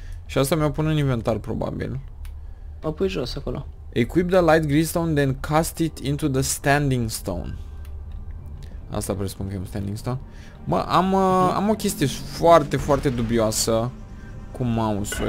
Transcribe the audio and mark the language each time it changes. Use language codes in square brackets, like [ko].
[ro] Și asta mi-o pun în inventar, probabil. O pui jos, acolo. [en] Equip the light greenstone, then cast it into the standing stone. [ro] Asta presupun că e un standing stone. Mă, am o chestie foarte, foarte dubioasă cu mouse-ul.